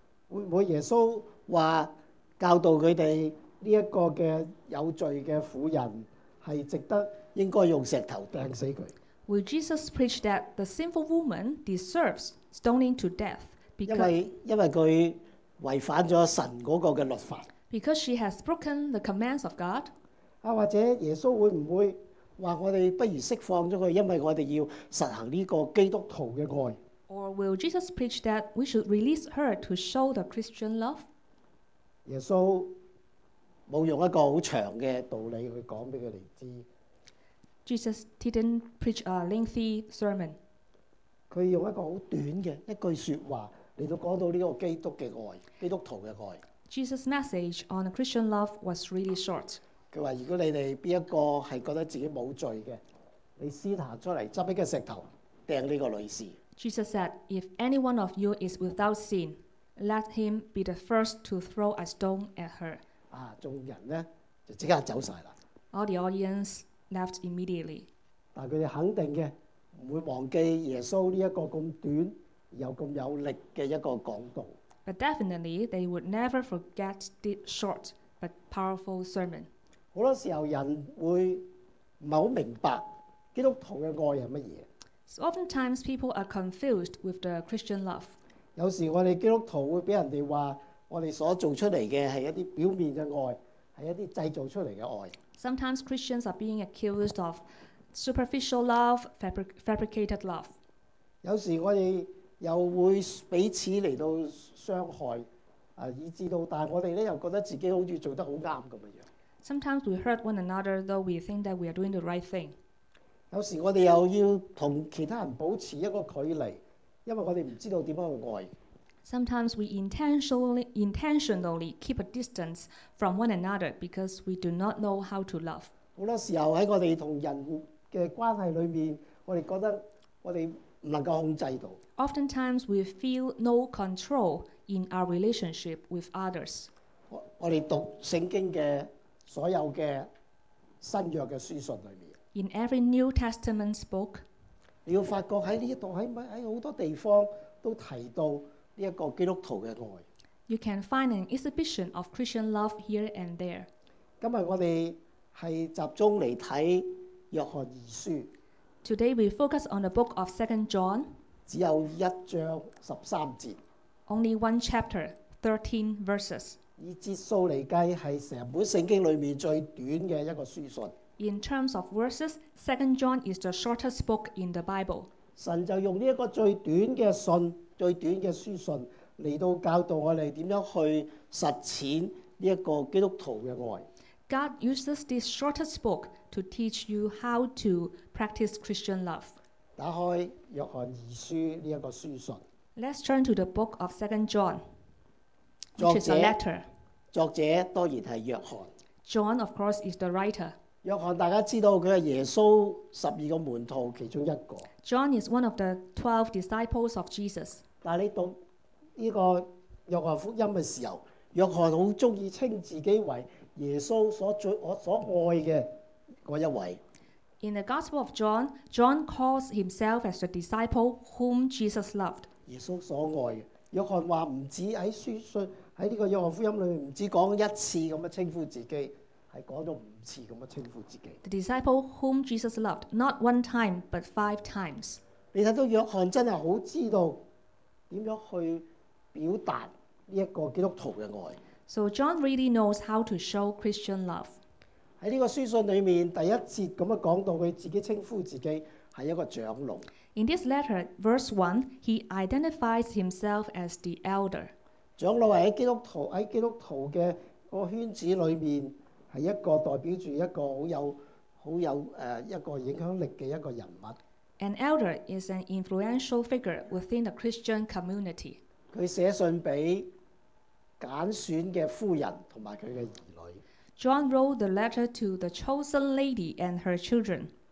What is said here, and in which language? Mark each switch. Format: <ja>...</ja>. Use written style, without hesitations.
<zh>會不會耶穌說教導他們這個的有罪的婦人是值得應該用石頭釘死他？</zh> <en>Will Jesus preach that the sinful woman deserves stoning to death?</en> <zh>Because, 因為她違反了神那個的律法。</zh> <en>Because she has broken the commands of God.</en> <zh>或者耶穌會不會說我們不如釋放了他，因為我們要實行這個基督徒的愛。</zh> <en>Or will Jesus preach that we should release her to show the Christian love?</en> <zh>耶穌沒有用一個很長的道理去講給他們知。</zh> <en>Jesus didn't preach a lengthy sermon.</en> <zh>他用一個很短的一句說話來到講到這個基督的愛，基督徒的愛。</zh> <en>Jesus' message on Christian love was really short.</en> <zh>他說如果你們哪一個是覺得自己沒有罪的，你先走出來撿一個石頭扔這個女士。</zh> <en>Jesus said, if any one of you is without sin, let him be the first to throw a stone at her.</en> <zh>眾人呢就立刻走了。</zh> <en>All the audience left immediately.</en> <zh>但他們肯定的，不會忘記耶穌這個這麼短又這麼有力的一個講道。</zh> <en>But definitely, they would never forget the short but powerful sermon.</en> <zh>很多時候人會不太明白基督徒的愛是什麼。</zh> <en>So oftentimes people are confused with the Christian love.</en> <zh>有時我們基督徒會被人家說我們所做出來的是一些表面的愛，是一些製造出來的愛。</zh> <en>Sometimes Christians are being accused of superficial love, fabricated love.</en> <zh>有時我們又會彼此來到傷害，以致到但我們又覺得自己好像做得很對的樣子。</zh> <en>Sometimes we hurt one another, though we think that we are doing the right thing.</en> <zh>有時我們又要跟其他人保持一個距離，因為我們不知道怎樣去愛。</zh> <en>Sometimes we intentionally keep a distance from one another because we do not know how to love.</en> <zh>很多時候在我們跟人的關係裡面，我們覺得我們不能夠控制到。</zh> <en>Oftentimes we feel no control in our relationship with others.</en> <zh>我們讀聖經的所有的新約的書信裡面，</zh> <en>In every New Testament book，</en> <zh>你要發覺在這裡 在很多地方都提到這個基督徒的愛。</zh> <en>You can find an exhibition of Christian love here and there.</en> <zh>今天我們是集中来看约翰二书。</zh> <en>Today we focus on the book of 2 John.</en> <zh>只有一章十三节。</zh> <en>Only one chapter, 13 verses.</en> <zh>以节数来计，是整本圣经里面最短的一个书信。</zh> <en>In terms of verses, 2 John is the shortest book in the Bible.</en> <zh>神就用这个最短的信，最短的书信，来到教导我们怎样去实践这个基督徒的爱。</zh> <en>God uses this shortest book to teach you how to practice Christian love.</en> <zh>打开约翰二书这个书信。</zh> <en>Let's turn to the book of 2 John, which is a letter.</en> <zh>作者当然是约翰。</zh> <en>John, of course, is the writer.</en> <zh>约翰大家知道他是耶稣十二个门徒其中一个。</zh> <en>John is one of the 12 disciples of Jesus.</en> <zh>但你读这个约翰福音的时候，约翰很喜欢称自己为耶稣所爱的那一位。</zh> <en>In the Gospel of John, John calls himself as the disciple whom Jesus loved.</en> <zh>耶稣所爱的。约翰说不止在书信，在这个约翰福音里面，不止说一次这样称呼自己，是说了五次这样称呼自己。</zh> <en>The disciple whom Jesus loved, not one time, but five times.</en> <zh>你看到约翰真的很知道怎样去表达这个基督徒的爱。</zh> <en>So John really knows how to show Christian love.</en> <zh>在这个书信里面，第一节这样讲到他自己称呼自己是一个长老。</zh> <en>In this letter, verse 1, he identifies himself as the elder.</en> <zh>长老在基督徒的个圈子里面，是一个代表着一个很有影响力的一个人物。</zh> <en>An elder is an influential figure within the Christian community.</en> <zh>他写信给拣选的夫人和他的儿女。</zh> <en>John wrote the letter to the chosen lady and her children.</en>